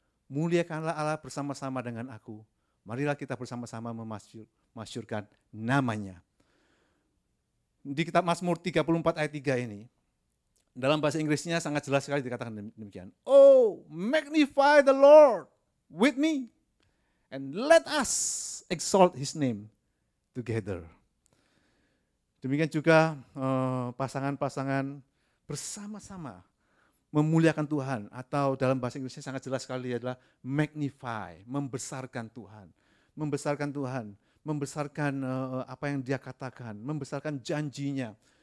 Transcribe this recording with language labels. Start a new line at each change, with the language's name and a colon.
Indonesian: Muliakanlah Allah bersama-sama dengan aku, marilah kita bersama-sama memasyurkan namanya. Di kitab Mazmur 34 ayat 3 ini, dalam bahasa Inggrisnya sangat jelas sekali dikatakan demikian.
English: Oh, magnify the Lord with me and let us exalt his name together.
Indonesian: Demikian juga pasangan-pasangan bersama-sama memuliakan Tuhan, atau dalam bahasa Inggrisnya sangat jelas sekali adalah magnify, membesarkan Tuhan. Membesarkan Tuhan, membesarkan apa yang dia katakan, membesarkan janjinya.